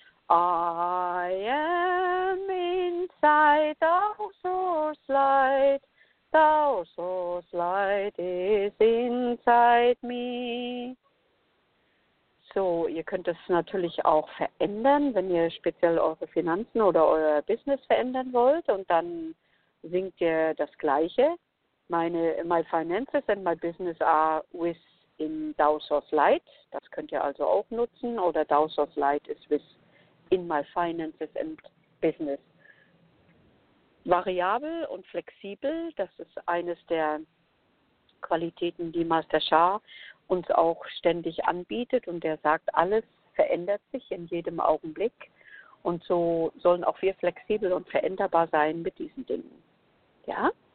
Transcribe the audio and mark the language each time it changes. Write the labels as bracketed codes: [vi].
[en] I am in Zai Dao Source Light. Dao Source Light is inside me. [de] So, ihr könnt es natürlich auch verändern, wenn ihr speziell eure Finanzen oder euer Business verändern wollt. Und dann singt ihr das Gleiche. [en] My finances and my business are with in Dao Source Light. [de] Das könnt ihr also auch nutzen. Oder [en] Dao Source Light is with in my finances and business. [de] Variabel und flexibel, das ist eines der Qualitäten, die Master Shah uns auch ständig anbietet und der sagt, alles verändert sich in jedem Augenblick. Und so sollen auch wir flexibel und veränderbar sein mit diesen Dingen. Ja?